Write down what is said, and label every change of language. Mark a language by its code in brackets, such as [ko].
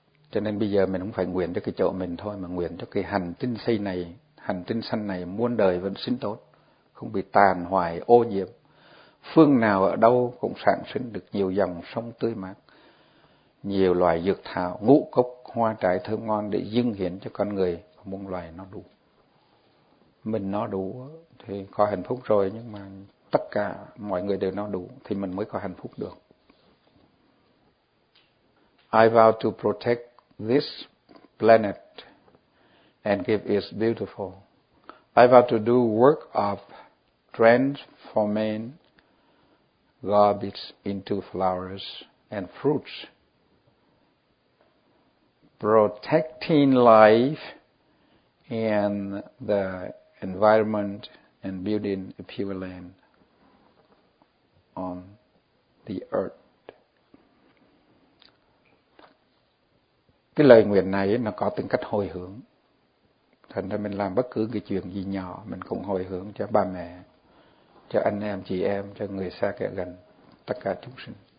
[vi] Cho nên bây giờ mình không phải nguyện cho cái chỗ mình thôi, mà nguyện cho cái hành tinh xây này, hành tinh xanh này muôn đời vẫn sinh tốt, không bị tàn hoại ô nhiễm, phương nào ở đâu cũng sản sinh được nhiều dòng sông tươi mát, nhiều loài dược thảo, ngũ cốc, hoa trái thơm ngon để dâng hiến cho con người và muôn loài nó đủ. Mình nó đủ thì có hạnh phúc rồi, nhưng mà tất cả mọi người đều no đủ thì mình mới có hạnh phúc được. [en] I vow to protect this planet and give it beautiful. I vow to do work of transforming garbage into flowers and fruits. Protecting life and the environment and building a pure land on the earth. [vi] Cái lời nguyện này nó có tính cách hồi hướng. Thành ra mình làm bất cứ cái chuyện gì nhỏ mình cũng hồi hướng cho ba mẹ, cho anh em, chị em, cho người xa kẻ gần, tất cả chúng sinh.